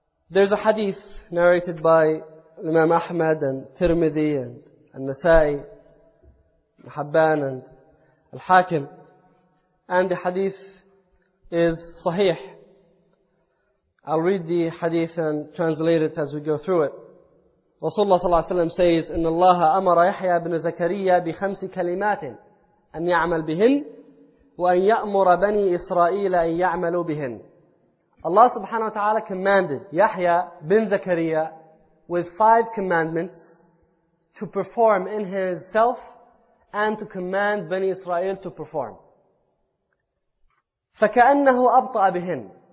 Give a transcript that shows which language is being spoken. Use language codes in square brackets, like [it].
[en] There's a hadith narrated by Imam Ahmad and Tirmidhi and Al-Nasai, Al-Habban and Al-Hakim. And the hadith is sahih. I'll read the hadith and translate it as we go through it. Rasulullah sallallahu alayhi wa sallam says, [ar] إِنَّ اللَّهَ أَمَرَ يَحْيَى بْنَ زَكَرِيَّا بِخَمْسِ كَلِمَاتٍ أَنْ يَعْمَلْ بِهِنْ وَأَنْ يَأْمُرَ بَنِي إِسْرَائِيلَ أَنْ يَعْمَلُوا بِهِنْ. [en] Allah subhanahu wa ta'ala commanded Yahya bin Zakariya with 5 commandments to perform in his self and to command Bani Israel to perform. [ar] فَكَأَنَّهُ أَبْطَأَ بِهِنْ.